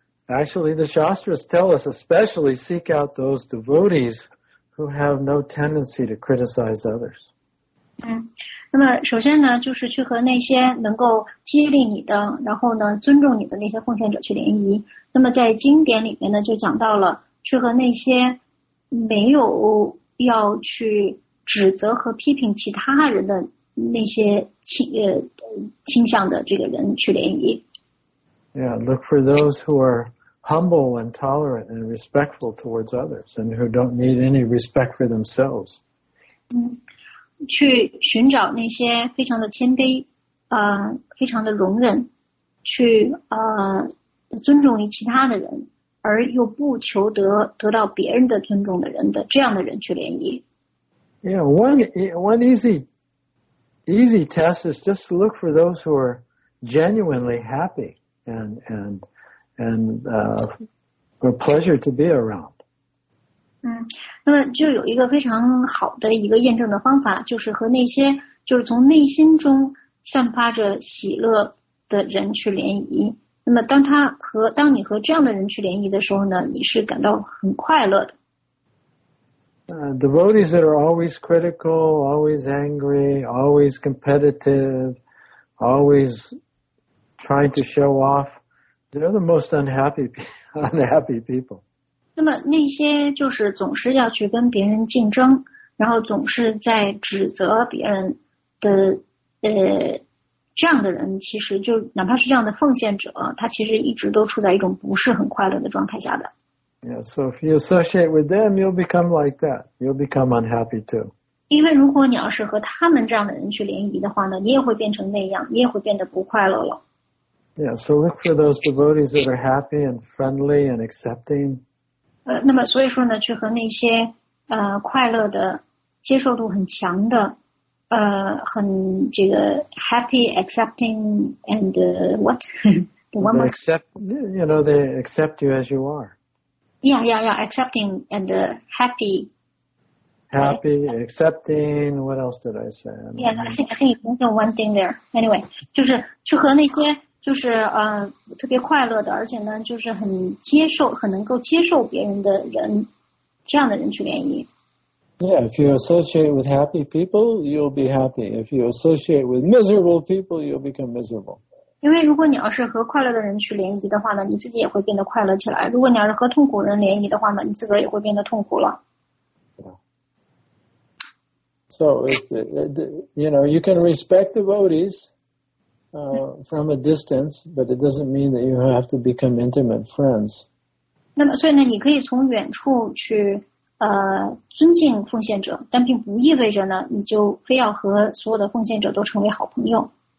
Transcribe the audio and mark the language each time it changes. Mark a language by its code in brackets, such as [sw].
[en] Actually, the Shastras tell us, especially seek out those devotees who have no tendency to criticize others. Mm. [zh] 那么首先呢就是去和那些能够激励你的然后呢尊重你的那些奉献者去联谊。那么在经典里面呢就讲到了去和那些没有要去指责和批评其他人的那些倾向的这个人去联谊。 [en] Yeah, look for those who are humble and tolerant and respectful towards others and who don't need any respect for themselves. [zh] 去寻找那些非常的谦卑非常的容忍去尊重于其他的人而又不求得到别人的尊重的人的这样的人去联谊。 [en] Yeah, one easy test is just to look for those who are genuinely happy and are pleasure to be around. [zh] 那么就有一个非常好的一个验证的方法就是和那些就是从内心中散发着喜乐的人去联谊。那么当你和这样的人去联谊的时候呢你是感到很快乐的。 [en] Devotees that are always critical, always angry, always competitive, always trying to show off, they're the most unhappy people. [zh] 那么那些就是总是要去跟别人竞争然后总是在指责别人的这样的人其实就哪怕是这样的奉献者他其实一直都处在一种不是很快乐的状态下的。 [en] Yeah, so if you associate with them, you'll become like that. You'll become unhappy too. [zh] 因为如果你要是和他们这样的人去联谊的话呢你也会变成那样你也会变得不快乐了。 [en] Yeah, so look for those devotees that are happy and friendly and accepting. [zh] 那么所以说呢去和那些快乐的接受度很强的很这个 [en] happy accepting and they accept you as you are. Accepting and happy. Happy, accepting, what else did I say? I think there's one thing there. [zh] Anyway, 就是去和那些就是特别快乐的而且呢就是很接受很能够接受别人的人这样的人去联谊。 [en] Yeah, if you associate with happy people, you'll be happy. If you associate with miserable people, you'll become miserable. [zh] 因为如果你要是和快乐的人去联谊的话呢，你自己也会变得快乐起来。如果你要是和痛苦人联谊的话呢，你自个儿也会变得痛苦了。 [en] So, you know, you can respect the devotees, from a distance, but it doesn't mean that you have to become intimate friends. [zh] 那么，所以呢，你可以从远处去尊敬奉献者，但并不意味着呢，你就非要和所有的奉献者都成为好朋友。